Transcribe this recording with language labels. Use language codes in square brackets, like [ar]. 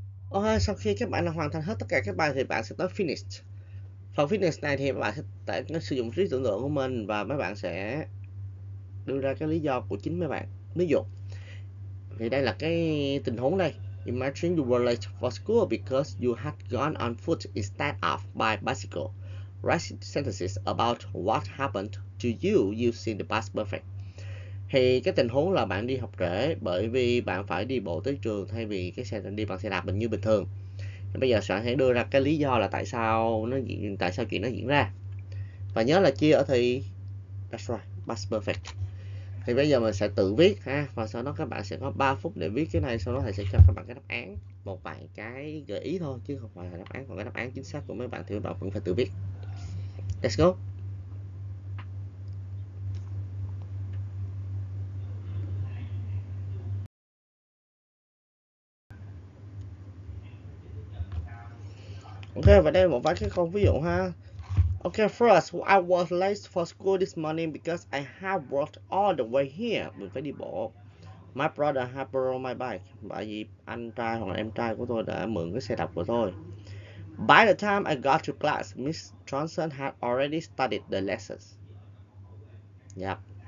[vi] Ok, sau khi các bạn đã hoàn thành hết tất cả các bài thì bạn sẽ tới finish. Phần finish này thì bạn sẽ tại sử dụng trí tưởng tượng của mình và mấy bạn sẽ đưa ra cái lý do của chính mấy bạn. Ví dụ thì đây là cái tình huống đây. [en] Imagine you were late for school because you had gone on foot instead of by bicycle. Write sentences about what happened to you using the past perfect. [vi] Thì cái tình huống là bạn đi học trễ bởi vì bạn phải đi bộ tới trường thay vì cái xe đi bằng xe đạp mình như bình thường. Bây giờ soạn hãy đưa ra cái lý do là tại sao chuyện nó diễn ra. Và nhớ là chia ở thì [en] that's right, [vi] past perfect. Thì bây giờ mình sẽ tự viết ha, và sau đó các bạn sẽ có 3 phút để viết cái này, sau đó thầy sẽ cho các bạn cái đáp án, một vài cái gợi ý thôi chứ không phải là đáp án, còn cái đáp án chính xác của mấy bạn thì các bạn vẫn phải tự viết. [en] Let's go. [vi] Ok, và đây là một vài cái câu ví dụ ha. [en] Okay, first, I was late for school this morning because I have walked all the way here. [vi] Mình phải đi bộ. [en] My brother has borrowed my bike. [vi] Bởi vì anh trai hoặc em trai của tôi đã mượn cái xe đạp của tôi. [en] By the time I got to class, Miss Johnson had already started the lessons. Yep.